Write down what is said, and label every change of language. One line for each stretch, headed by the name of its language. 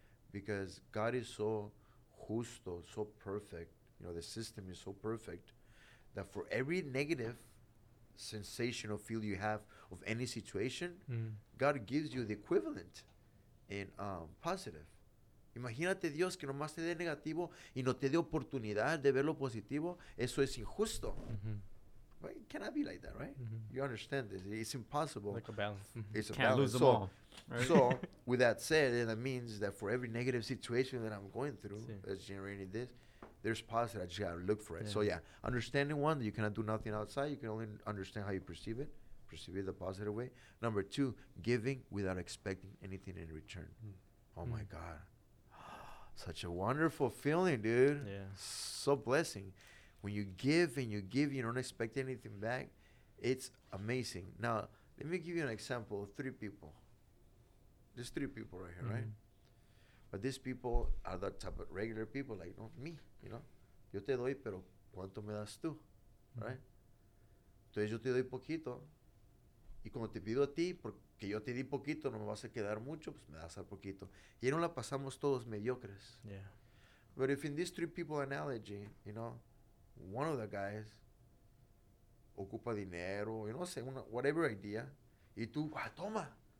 English: Because God is so justo, so perfect. You know, the system is so perfect that for every negative sensation or feel you have of any situation, God gives you the equivalent in positive.
Spanish: Imagínate Dios que nomás te dé negativo y no te dé oportunidad de ver lo positivo. Eso es injusto.
English: Mm-hmm. Right? It cannot be like that, right? Mm-hmm. You understand this. It's impossible. Like a balance. It's a balance. Can't lose them so, all. Right? So, with that said, then that means that for every negative situation that I'm going through that's generating this, there's positive. I just got to look for it. Yeah. So, yeah. Understanding one, you cannot do nothing outside. You can only understand how you perceive it. Perceive it the positive way. Number two, giving without expecting anything in return. Mm. Oh, my God. Such a wonderful feeling, dude. Yeah. So blessing. When you give and you give, you don't expect anything back. It's amazing. Now, let me give you an example of three people. There's three people right here, right? But these people are the type of regular people, like, you know, me, you know?
Spanish: Yo te doy, pero ¿cuánto me das tú? Right? Entonces, yo te doy poquito. Y cuando te pido a ti, porque yo te di poquito, no me vas a quedar mucho, pues me das al poquito. Y no la pasamos todos mediocres.
English: Yeah. But if in this three people analogy, you know, one of the guys
Spanish: ocupa dinero,
English: you know, say una, whatever idea,
Spanish: y tú, toma.